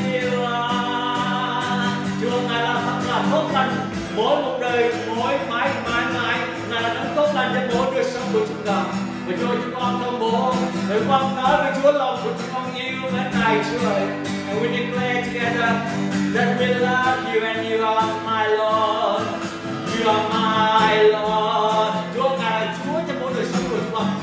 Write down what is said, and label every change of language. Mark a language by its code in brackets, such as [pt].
[vi] Chúa Ngài là thật là tốt lành. Mỗi một đời, mỗi mãi mãi mãi, Ngài là đấng tốt lành cho mỗi đời sống của chúng ta. Và cho chúng con công bố, để con nói với Chúa lòng của chúng con yêu mến Ngài Chúa. [en] And we declare together that we love you and you are my Lord. You are my Lord. [vi] Chúa Ngài là Chúa cho mỗi đời sống của chúng con.